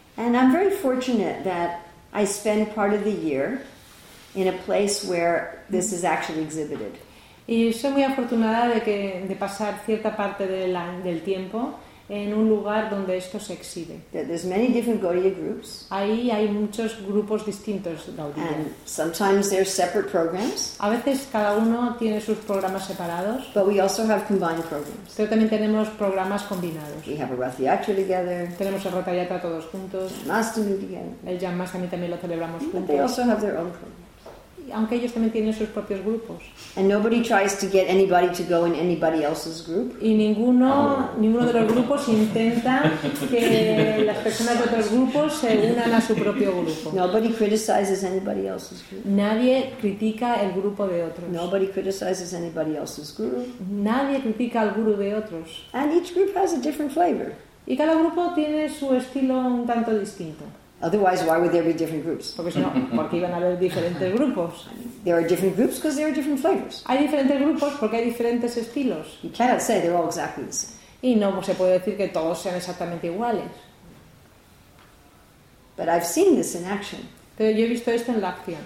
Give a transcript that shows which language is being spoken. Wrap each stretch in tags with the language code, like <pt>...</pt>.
<en>And I'm very fortunate that I spend part of the year in a place where this is actually exhibited.</en> <es>Y soy muy afortunada de pasar cierta parte del tiempo en un lugar donde esto se exhibe.</es> <en>There's many different Gaudiya groups.</en> <es>Ahí hay muchos grupos distintos Gaudiya.</es> <en>And sometimes there's separate programs.</en> <es>A veces cada uno tiene sus programas separados.</es> <en>But we also have combined programs.</en> <es>Pero también tenemos programas combinados.</es> <en>We have a Rath Yatra together.</en> <es>Tenemos el Rath Yatra todos juntos.</es> <en>Jamastami together.</en> <es>El Jamastami también lo celebramos juntos.</es> <en>But they also have their own programs.</en> <es>Aunque ellos también tienen sus propios grupos.</es> <en>And nobody tries to get anybody to go in anybody else's group.</en> <es>Y ninguno de los grupos intenta que las personas de otros grupos se unan a su propio grupo.</es> <en>Nobody criticizes anybody else's group.</en> <es>Nadie critica el grupo de otros.</es> <en>Nobody criticizes anybody else's group.</en> <es>Nadie critica al grupo de otros.</es> <en>And each group has a different flavor.</en> <es>Y cada grupo tiene su estilo un tanto distinto.</es> <en>Otherwise, why would there be different groups?</en> <es>Porque si no, ¿por qué iban a haber diferentes grupos?</es> <en>There are different groups because there are different flavors.</en> <es>Hay diferentes grupos porque hay diferentes estilos.</es> <en>You cannot say they're all exactly the same.</en> <es>Y no se puede decir que todos sean exactamente iguales.</es> <en>But I've seen this in action.</en> <es>Pero yo he visto esto en la acción.</es>